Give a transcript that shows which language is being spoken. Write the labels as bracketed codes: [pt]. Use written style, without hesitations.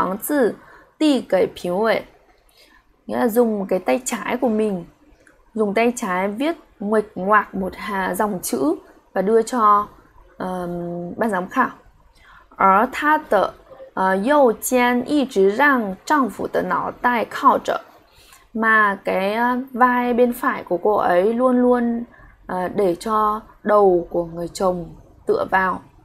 [zh] 用左手歪歪扭扭写下一行字递给评委。 [vi] Nghĩa là dùng cái tay trái của mình, dùng tay trái viết nguệch ngoạc một hàng dòng chữ và đưa cho ban giám khảo. [zh] 而她的右肩一直让丈夫的脑袋靠着。 [vi] Mà cái vai bên phải của cô ấy luôn luôn để cho đầu của người chồng tựa vào.